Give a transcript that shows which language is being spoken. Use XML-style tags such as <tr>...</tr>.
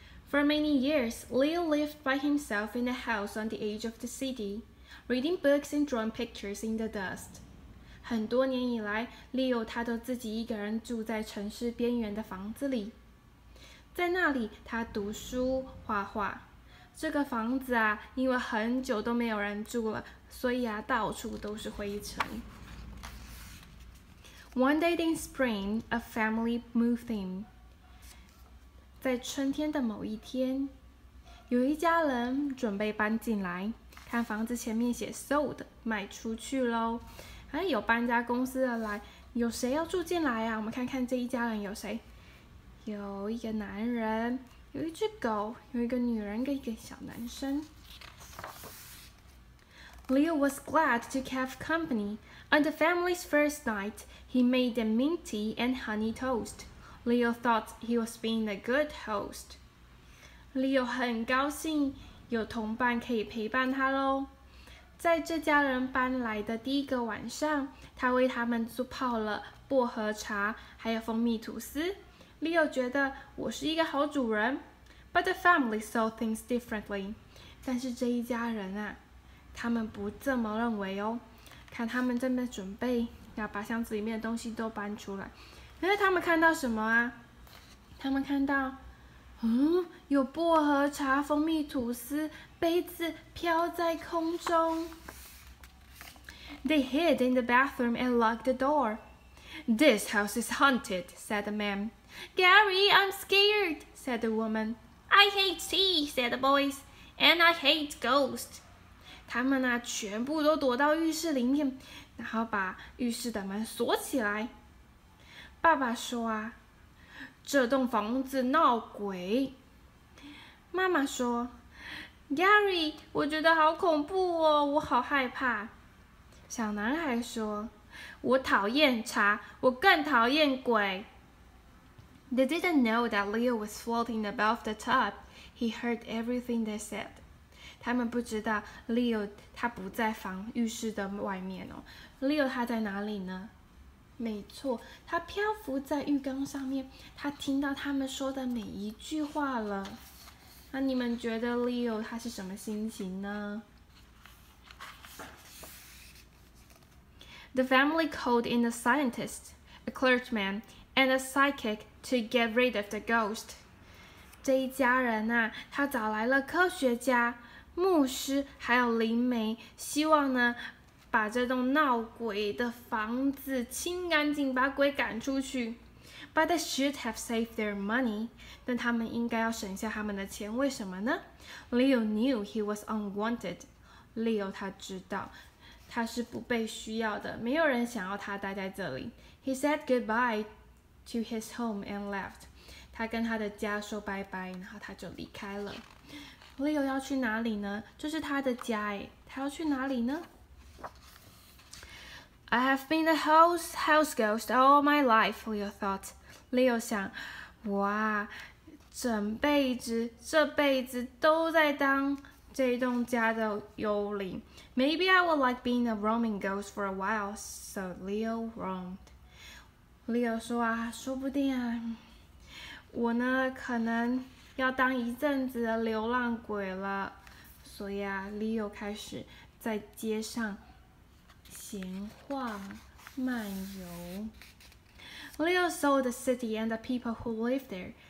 <en>For many years, Leo lived by himself in a house on the edge of the city, reading books and drawing pictures in the dust.</en> <zh>很多年以来 ，Leo 他都自己一个人住在城市边缘的房子里，在那里他读书画画。这个房子啊，因为很久都没有人住了，所以啊，到处都是灰尘。</zh> <en>One day in spring, a family moved in.</en> <zh>在春天的某一天，有一家人准备搬进来。看房子前面写 sold， 卖出去喽。哎，有搬家公司的来，有谁要住进来啊？我们看看这一家人有谁？有一个男人，有一只狗，有一个女人跟一个小男生。</zh> <en>Leo was glad to have company. On the family's first night, he made them mint tea and honey toast. Leo thought he was being a good host.</en> <zh>Leo 很高兴有同伴可以陪伴他喽。在这家人搬来的第一个晚上，他为他们做泡了薄荷茶，还有蜂蜜吐司。 Leo 觉得我是一个好主人。</zh> <en>But the family saw things differently.</en> <zh>但是这一家人啊，他们不这么认为哦。看他们正在准备要把箱子里面的东西都搬出来，可是他们看到什么啊？他们看到，有薄荷茶、蜂蜜吐司、杯子飘在空中。</zh> <en>They hid in the bathroom and locked the door. This house is haunted, said the man. Gary, I'm scared, said the woman. I hate tea, said the boys, and I hate ghosts.</en> <zh>他们啊，全部都躲到浴室里面，然后把浴室的门锁起来。爸爸说啊，这栋房子闹鬼。妈妈说 ：“Gary， 我觉得好恐怖哦，我好害怕。” 小男孩说：“我讨厌茶，我更讨厌鬼。”</zh> <en>They didn't know that Leo was floating above the tub. He heard everything they said.</en> <zh>他们不知道 Leo 他不在房浴室的外面哦。 Leo 他在哪里呢？没错，他漂浮在浴缸上面，他听到他们说的每一句话了。那你们觉得 Leo 他是什么心情呢？</zh> <en>The family called in a scientist, a clergyman, and a psychic to get rid of the ghost.</en> <zh>这一家人啊，他找来了科学家、牧师还有灵媒，希望呢把这栋闹鬼的房子清干净，把鬼赶出去。</zh> <en>But they should have saved their money.</en> <zh>但他们应该要省下他们的钱，为什么呢？</zh> <en>Leo knew he was unwanted.</en> <zh>Leo 他知道他是不被需要的，没有人想要他待在这里。</zh> <en>He said goodbye to his home and left.</en> <zh>他跟他的家说拜拜，然后他就离开了。Leo 要去哪里呢？这是他的家耶，他要去哪里呢？</zh> <en>I have been a house ghost all my life, Leo thought.</en> <zh>Leo 想，哇，这辈子都在当这栋家的幽灵。</zh> <en>Maybe I would like being a roaming ghost for a while, so Leo roamed.</en> <zh>Leo 说啊，说不定啊，我呢可能要当一阵子的流浪鬼了。所以啊 ，Leo 开始在街上闲晃漫游。</zh> <en>Leo saw the city and the people who lived there.</en>